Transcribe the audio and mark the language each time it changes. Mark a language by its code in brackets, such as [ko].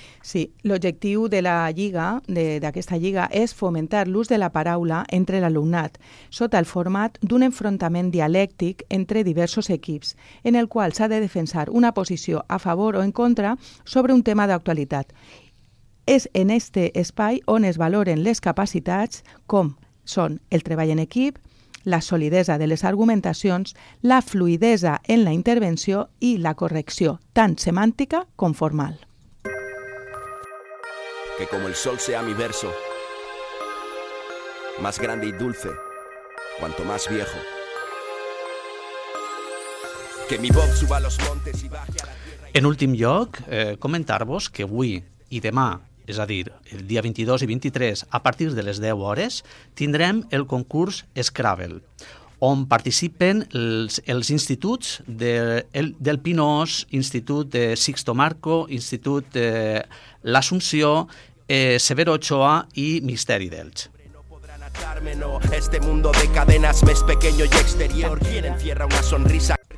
[ca] Sí, l'objectiu de la Lliga, d'aquesta Lliga, és fomentar l'ús de la paraula entre l'alumnat, sota el format d'un enfrontament dialèctic entre diversos equips, en el qual s'ha de defensar una posició a favor o en contra sobre un tema d'actualitat. És en aquest espai on es valoren les capacitats, com són el treball en equip, la solidesa de les argumentacions, la fluidesa en la intervenció i la correcció, tant semàntica com formal. [es] Que como el sol sea mi verso, más grande y dulce, cuanto más viejo. Que mi voz suba a los montes y baje a la tierra. [ca] En últim lloc, comentar-vos que avui i demà, és a dir, el dia 22 i 23, a partir de les 10 hores, tindrem el concurs Scrabble, on participen els instituts del Pinós, Institut de Sixto Marco, Institut de l'Assumpció, Severo Ochoa y Misteri d'Elx. [es] Este mundo de cadenas más pequeño y exterior, quien encierra una sonrisa.